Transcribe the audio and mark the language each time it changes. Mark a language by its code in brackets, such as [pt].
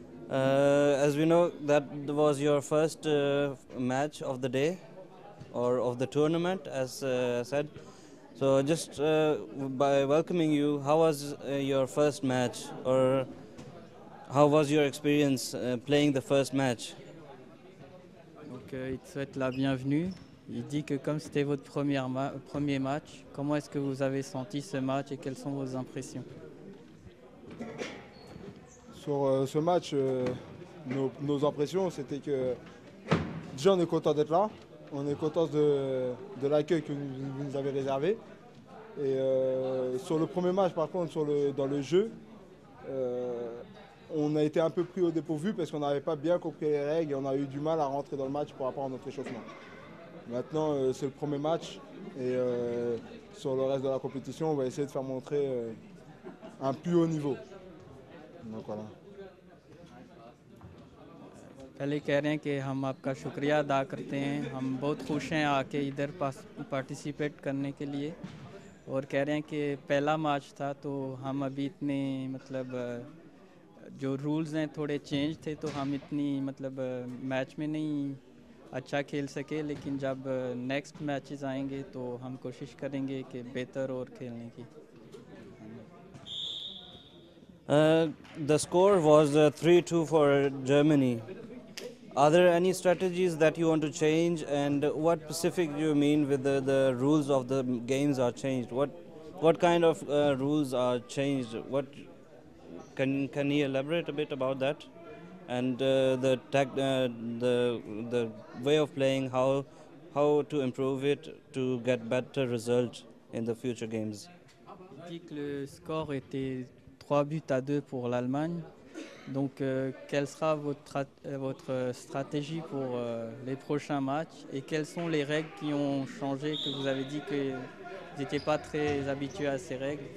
[en] As we know, that was your first match of the day or of the tournament, as said. So just by welcoming you, how was your first match, or how was your experience playing the first match? [fr] Okay, il te souhaite la bienvenue. Il dit que comme c'était votre premier match, comment est-ce que vous avez senti ce match et quelles sont vos impressions? Sur ce match, nos impressions, c'était que déjà on est content d'être là, on est content de l'accueil que vous nous avez réservé. Et sur le premier match, par contre, dans le jeu, on a été un peu pris au dépourvu parce qu'on n'avait pas bien compris les règles et on a eu du mal à rentrer dans le match par rapport à notre échauffement. Maintenant, c'est le premier match et sur le reste de la compétition, on va essayer de faire montrer un plus haut niveau. Donc voilà. [hi] पहले कह रहे हैं कि हम आपका शुक्रिया अदा करते हैं. हम बहुत खुश हैं आके इधर पार्टिसिपेट करने के लिए. और कह रहे हैं कि पहला मैच था तो हम अभी इतने मतलब जो रूल्स हैं थोड़े चेंज थे तो हम इतनी मतलब मैच में नहीं अच्छा खेल सके, लेकिन जब नेक्स्ट मैचेस आएंगे तो हम कोशिश करेंगे कि बेहतर और खेलने की. [en] The score was 3-2 for Germany. Are there any strategies that you want to change and what specific you mean with the rules of the games are changed? What kind of rules are changed? What can you elaborate a bit about that? And the way of playing, how to improve it to get better results in the future games. [fr] Il dit que le score était 3-2 pour l'Allemagne. Donc, quelle sera votre stratégie pour les prochains matchs et quelles sont les règles qui ont changé, que vous avez dit que vous n'étiez pas très habitué à ces règles.